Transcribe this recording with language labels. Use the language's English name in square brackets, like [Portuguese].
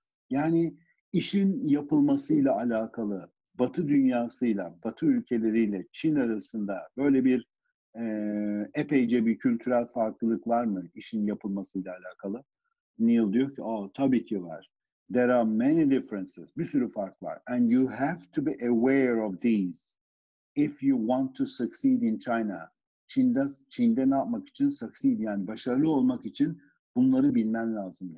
[Turkish] Yani işin yapılmasıyla alakalı, Batı dünyasıyla, Batı ülkeleriyle Çin arasında böyle bir epeyce bir kültürel farklılık var mı işin yapılmasıyla alakalı? Neil diyor ki, oh, tabii ki var. [English] There are many differences. [Turkish] Bir sürü fark var. [English] And you have to be aware of these if you want to succeed in China. [Turkish] Çin'de ne yapmak için? Succeed, yani başarılı olmak için bunları bilmen lazım.